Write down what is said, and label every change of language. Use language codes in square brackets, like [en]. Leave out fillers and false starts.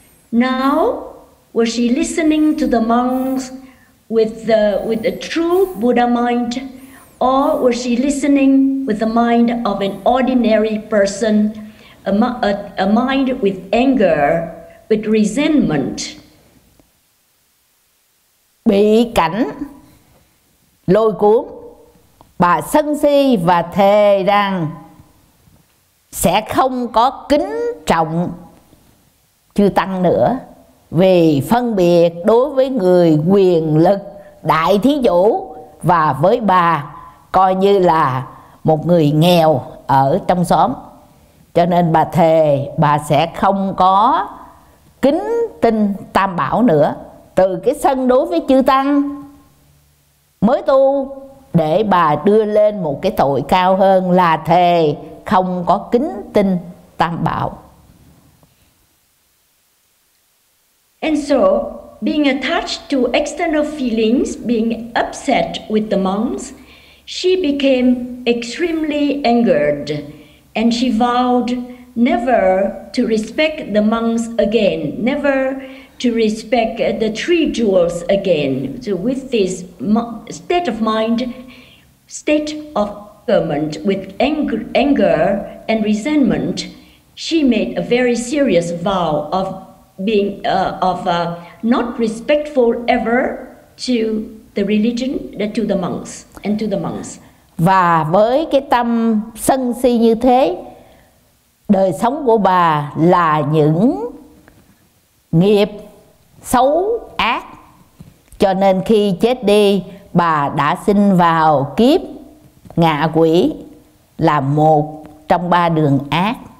[en] Now, was she listening to the monks with a true Buddha mind, or was she listening with the mind of an ordinary person, a mind with anger, with resentment? [vi] Bị cảnh lôi cuốn, bà sân si và thề rằng sẽ không có kính trọng chư tăng nữa vì phân biệt đối với người quyền lực đại thí chủ và với bà coi như là một người nghèo ở trong xóm. Cho nên bà thề bà sẽ không có kính tin Tam Bảo nữa, từ cái sân đối với chư tăng mới tu để bà đưa lên một cái tội cao hơn là thề không có kính tin Tam Bảo. [en] And so, being attached to external feelings, being upset with the monks, she became extremely angered, and she vowed never to respect the monks again, never to respect the three jewels again. So with this state of mind, state of torment, with anger and resentment, she made a very serious vow of being not respectful ever to the religion, to the monks and to the monks. [vi] Và với cái tâm sân si như thế, đời sống của bà là những nghiệp xấu ác, cho nên khi chết đi bà đã sinh vào kiếp ngạ quỷ là một trong ba đường ác.